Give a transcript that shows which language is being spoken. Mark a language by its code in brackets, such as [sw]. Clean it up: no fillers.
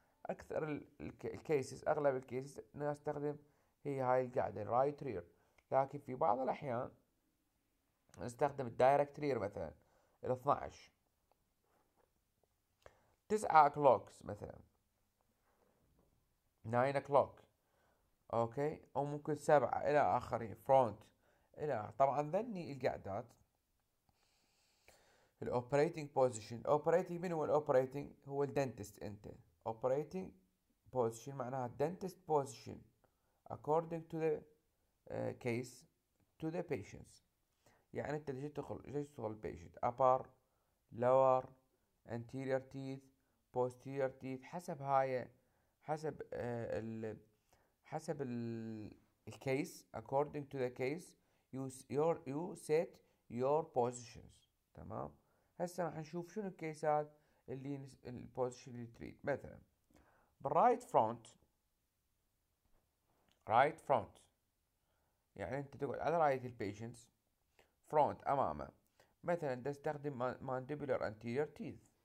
[ar] اكثر الكيسز اغلب الكيسز الناس تستخدم هي هاي القاعده رايت رير، لكن في بعض الاحيان نستخدم الدايركت رير مثلا ال 12 9 اوكلوك مثلا 9 اوكلوك. اوكي، او ممكن 7 الى اخره فرونت الى طبعا ذني القعدات. الاوبريتنج بوزيشن، الاوبريتنج من هو الاوبريتنج؟ هو الدنتست انت. اوبريتنج بوزيشن معناها الدنتست بوزيشن according to the case to the patients. يعني انت جيت تدخل، جيت تدخل patient upper lower anterior teeth posterior teeth حسب هاي، حسب ال حسب ال case [en] according to the case you set your positions. [ar] تمام. هسه راح نشوف شنو الكيسات اللي البوزيشن اللي تريد. مثلا برايت فرونت، رايت فرونت يعني انت تقعد على رايت البيشنتس، فرونت امامه، مثلا تستخدم مانديبولر انتيرير تيث.